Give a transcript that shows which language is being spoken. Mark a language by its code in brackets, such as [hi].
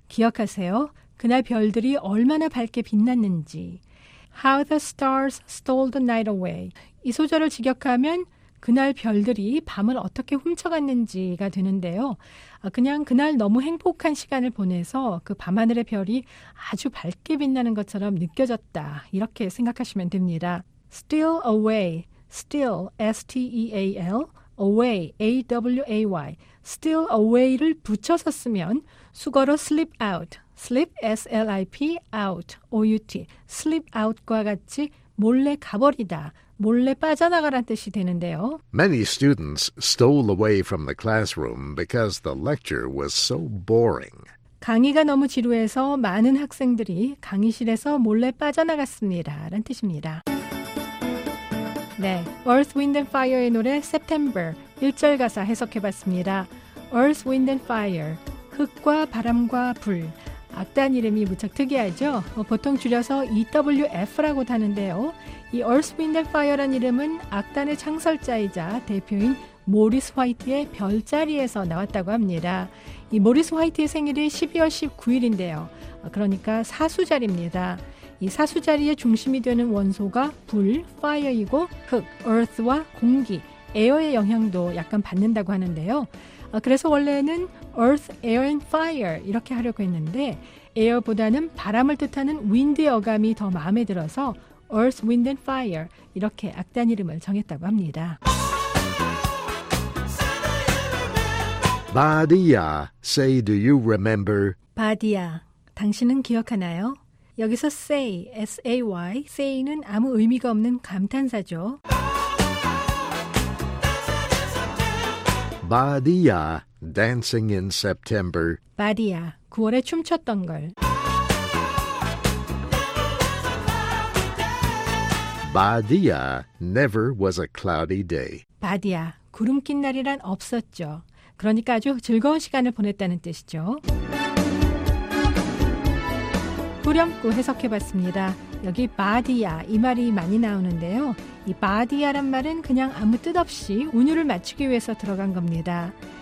[ko] 기억하세요. 그날 별들이 얼마나 밝게 빛났는지. [en] How the stars stole the night away. [ko] 이 소절을 직역하면 그날 별들이 밤을 어떻게 훔쳐갔는지가 되는데요. 그냥 그날 너무 행복한 시간을 보내서 그 밤하늘의 별이 아주 밝게 빛나는 것처럼 느껴졌다. 이렇게 생각하시면 됩니다. [en] Steal away. Steal, S-T-E-A-L. Away, A-W-A-Y. [ko] Steal away를 붙여서 쓰면 수거로 slip out. [en] Slip, S-L-I-P, out, O-U-T. [ko] Slip out과 같이 몰래 가버리다, 몰래 빠져나가란 뜻이 되는데요. [en] Many students stole away from the classroom because the lecture was so boring. [ko] 강의가 너무 지루해서 많은 학생들이 강의실에서 몰래 빠져나갔습니다. 라는 뜻입니다. 네, Earth, Wind and Fire의 노래 September 1절 가사 해석해봤습니다. Earth, Wind and Fire, 흙과 바람과 불, 악단 이름이 무척 특이하죠? 보통 줄여서 EWF라고 하는데요. 이 Earth, Wind and Fire란 이름은 악단의 창설자이자 대표인 모리스 화이트의 별자리에서 나왔다고 합니다. 이 모리스 화이트의 생일이 12월 19일인데요. 그러니까 사수자리입니다. 이 사수자리의 중심이 되는 원소가 불, fire이고 흙, earth와 공기, air의 영향도 약간 받는다고 하는데요. 그래서 원래는 Earth, Air and Fire 이렇게 하려고 했는데 에어보다는 바람을 뜻하는 윈드의 어감이 더 마음에 들어서 Earth, Wind and Fire 이렇게 악단 이름을 정했다고 합니다. [en] 바디야, say do you remember? [ko] 바디야, 당신은 기억하나요? 여기서 say, S-A-Y, say는 아무 의미가 없는 감탄사죠. [en] 바디야, dancing in September. [ko] 바디야, 9월에 춤췄던 걸. [en] 바디야, never was a cloudy day. [ko] 바디야, 구름 낀 날이란 없었죠. 그러니까 아주 즐거운 시간을 보냈다는 뜻이죠. 후렴구 해석해봤습니다. 여기 바디야 이 말이 많이 나오는데요. 이 바디야란 말은 그냥 아무 뜻 없이 운율을 맞추기 위해서 들어간 겁니다.